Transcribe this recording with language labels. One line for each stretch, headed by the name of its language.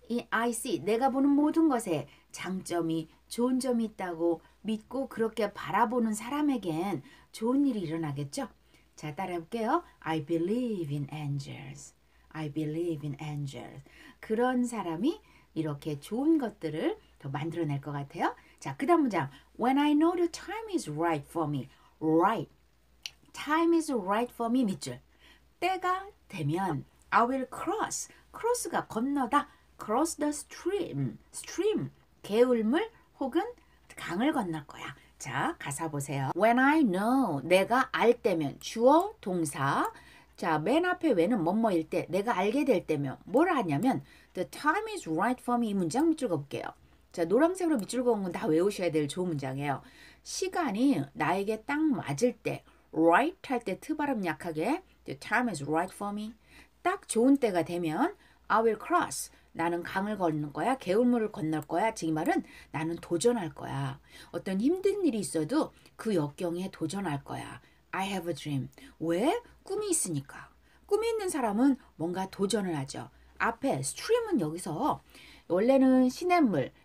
English: I see,
Korean: 내가 보는 모든 것에 장점이, 좋은 점이 있다고 믿고 그렇게 바라보는 사람에겐 좋은 일이 일어나겠죠? 자, 따라해볼게요.
English: I believe in angels. I believe in angels.
Korean: 그런 사람이 이렇게 좋은 것들을 더 만들어낼 것 같아요. 자, 그 다음 문장.
English: When I know the time is right for me. Right. Time is right for me, 밑줄.
Korean: 때가 되면
English: I will cross.
Korean: Cross가 건너다.
English: Cross the stream.
Korean: Stream, 개울물 혹은 강을 건널 거야. 자, 가사 보세요.
English: When I know,
Korean: 내가 알 때면. 주어, 동사. 자, 맨 앞에 when은 뭐뭐일 때. 내가 알게 될 때면. 뭘 하냐면
English: The time is right for me.
Korean: 이 문장 밑줄 걷을게요. 자, 노란색으로 밑줄 그은 건 다 외우셔야 될 좋은 문장이에요. 시간이 나에게 딱 맞을 때.
English: Right
Korean: 할 때 트 발음 약하게
English: The time is right for me.
Korean: 딱 좋은 때가 되면
English: I will cross.
Korean: 나는 강을 건널 거야. 개울물을 건널 거야. 즉 이 말은 나는 도전할 거야. 어떤 힘든 일이 있어도 그 역경에 도전할 거야.
English: I have a dream.
Korean: 왜? 꿈이 있으니까. 꿈이 있는 사람은 뭔가 도전을 하죠. 앞에 stream은 여기서 원래는 시냇물,